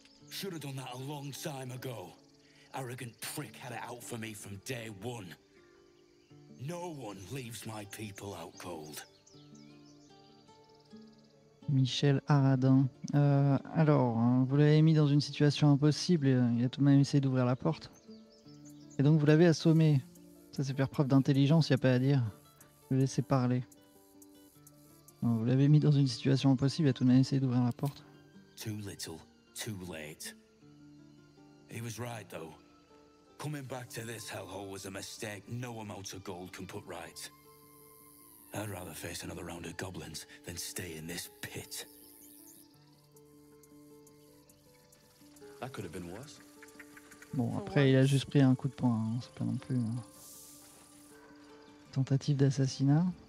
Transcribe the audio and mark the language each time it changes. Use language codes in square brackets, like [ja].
[en] Should have done that a long time ago. Arrogant prick had it out for me from day one. No one leaves my people out cold. Michel Aradin. [fr] Alors, vous l'avez mis dans une situation impossible. Il a tout de même essayé d'ouvrir la porte. Et donc vous l'avez assommé. Ça, c'est faire preuve d'intelligence, il n'y a pas à dire. Je vais laisser parler. Alors, vous l'avez mis dans une situation impossible. Il a tout de même essayé d'ouvrir la porte. [en] Too little. Too late. He was right, though. Coming back to this hellhole was a mistake no amount of gold can put right. I'd rather face another round of goblins than stay in this pit. That could have been worse. [fr] Bon, après, il a juste pris un coup de poing, hein. C'est pas non plus. Hein. Tentative d'assassinat.